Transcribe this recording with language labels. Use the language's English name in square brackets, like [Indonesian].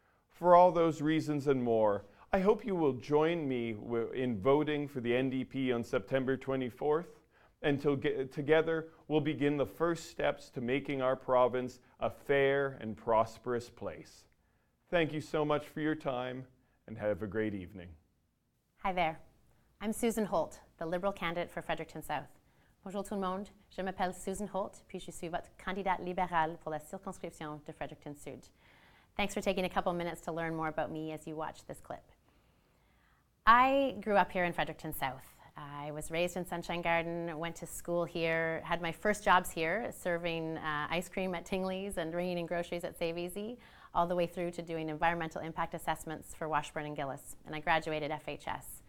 [English] For all those reasons and more, I hope you will join me in voting for the NDP on September 24th, and together we'll begin the first steps to making our province a fair and prosperous place. Thank you so much for your time. And have a great evening. Hi there. I'm Susan Holt, the Liberal candidate for Fredericton South. [French] Bonjour tout le monde. Je m'appelle Susan Holt, puis je suis votre candidate libérale pour la circonscription de Fredericton Sud. [English] Thanks for taking a couple minutes to learn more about me as you watch this clip. I grew up here in Fredericton South. I was raised in Sunshine Garden, went to school here, had my first jobs here, serving ice cream at Tingley's and ringing in groceries at Save Easy, all the way through to doing environmental impact assessments for Washburn and Gillis, and I graduated FHS.